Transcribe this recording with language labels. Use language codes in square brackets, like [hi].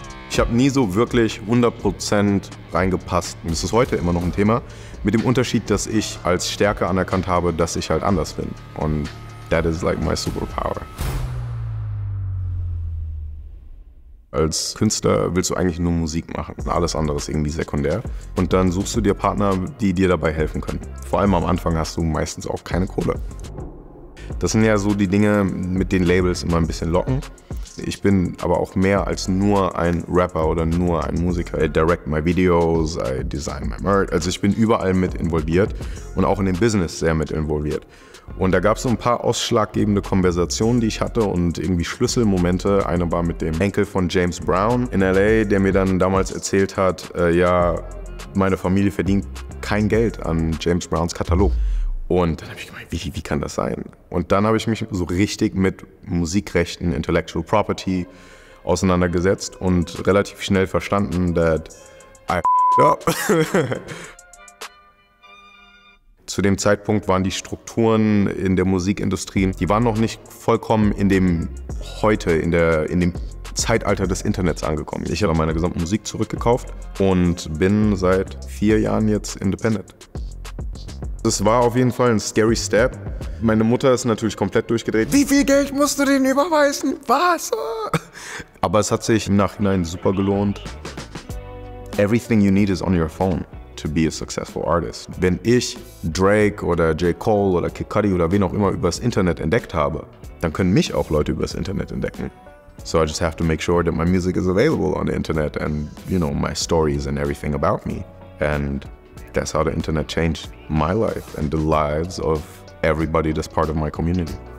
[de] Ich habe nie so wirklich 100% reingepasst. Und das ist heute immer noch ein Thema. Mit dem Unterschied, dass ich als Stärke anerkannt habe, dass ich halt anders bin. [en] Und that is like my superpower. [de] Als Künstler willst du eigentlich nur Musik machen. Alles andere ist irgendwie sekundär. Und dann suchst du dir Partner, die dir dabei helfen können. Vor allem am Anfang hast du meistens auch keine Kohle. Das sind ja so die Dinge, mit denen Labels immer ein bisschen locken. Ich bin aber auch mehr als nur ein Rapper oder nur ein Musiker. [en] I direct my videos, I design my merch. [de] Also ich bin überall mit involviert und auch in dem Business sehr mit involviert. Und da gab es so ein paar ausschlaggebende Konversationen, die ich hatte und irgendwie Schlüsselmomente. Eine war mit dem Enkel von James Brown in L.A., der mir dann damals erzählt hat, meine Familie verdient kein Geld an James Browns Katalog. Und dann habe ich gemeint, wie kann das sein? Und dann habe ich mich so richtig mit Musikrechten, Intellectual Property auseinandergesetzt und relativ schnell verstanden, [en] that I f***ed up. [de] Zu dem Zeitpunkt waren die Strukturen in der Musikindustrie, die waren noch nicht vollkommen in dem Zeitalter des Internets angekommen. Ich habe meine gesamte Musik zurückgekauft und bin seit 4 Jahren jetzt independent. Es war auf jeden Fall ein scary step. Meine Mutter ist natürlich komplett durchgedreht. Wie viel Geld musst du denen überweisen? Was? Aber es hat sich im Nachhinein super gelohnt. [en] Everything you need is on your phone to be a successful artist. [de] Wenn ich Drake oder J. Cole oder Kid Cudi oder wen auch immer übers Internet entdeckt habe, dann können mich auch Leute übers Internet entdecken. [en] So I just have to make sure that my music is available on the Internet and, you know, my stories and everything about me. And that's how the Internet changed my life and the lives of everybody that's part of my community.